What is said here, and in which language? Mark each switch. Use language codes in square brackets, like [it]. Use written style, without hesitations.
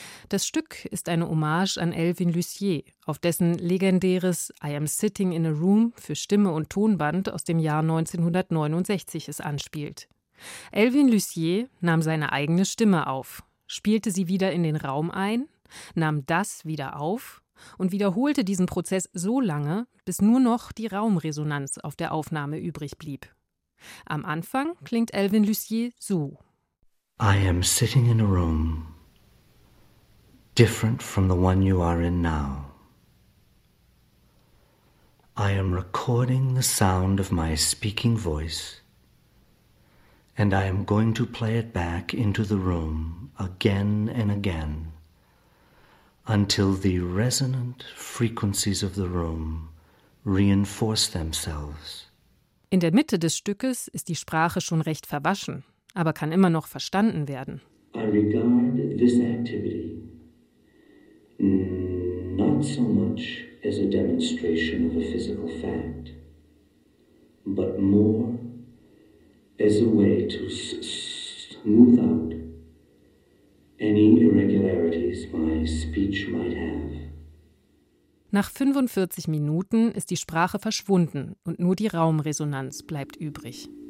[de] Das Stück ist eine Hommage an Elvin Lucier, auf dessen legendäres I Am Sitting in a Room für Stimme und Tonband aus dem Jahr 1969 es anspielt. Elvin Lucier nahm seine eigene Stimme auf, spielte sie wieder in den Raum ein, nahm das wieder auf und wiederholte diesen Prozess so lange, bis nur noch die Raumresonanz auf der Aufnahme übrig blieb. Am Anfang klingt Elvin Lucier so. [en] I am sitting in a room different from the one you are in now. I am recording the sound of my speaking voice and I am going to play it back into the room again and again. Until the resonant frequencies of the room reinforce themselves. [de] In der Mitte des Stückes ist die Sprache schon recht verwaschen, aber kann immer noch verstanden werden. [en] I regard this activity not so much as a demonstration of a physical fact, but more as a way to smooth out any irregularities my speech might have. [de] Nach 45 Minuten ist die Sprache verschwunden und nur die Raumresonanz bleibt übrig.